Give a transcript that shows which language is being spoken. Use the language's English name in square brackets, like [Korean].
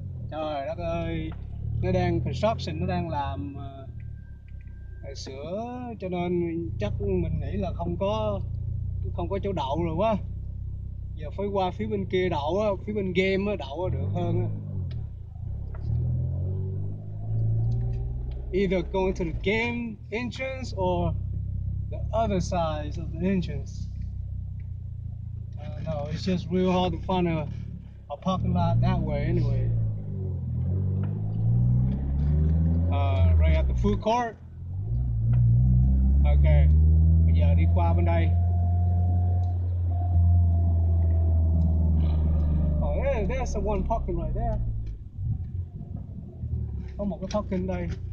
[Vietnamese] Trời đất ơi, nó đang construction, nó đang làm sửa, cho nên chắc mình nghĩ là không có chỗ đậu rồi quá. Giờ phải qua phía bên kia đậu á, phía bên game á, đậu được hơn á. [English] Either going to the game entrance or the other side of the entrance. No, it's just real hard to find a parking lot that way anyway. Right at the food court. [Vietnamese] Okay, bây giờ đi qua bên đây. [English] Oh yeah, there's the one parking right there. [Vietnamese] Có một cái parking đây.